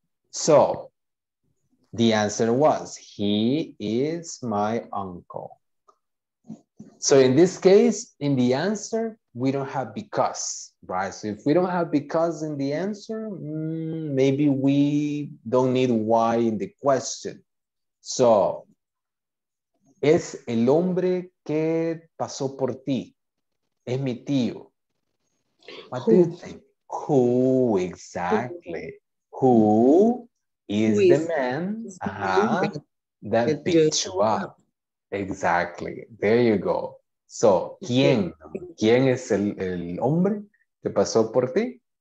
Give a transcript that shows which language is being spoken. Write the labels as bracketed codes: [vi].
[en] So the answer was, he is my uncle. So in this case, in the answer, we don't have because, right? So if we don't have because in the answer, maybe we don't need why in the question. [es] So, es el hombre que pasó por ti. Es mi tío. [en] What do you think? Who exactly? Who is the man that picked you up? Exactly. There you go. So, ¿quién? [es] ¿Quién es el hombre que pasó por ti?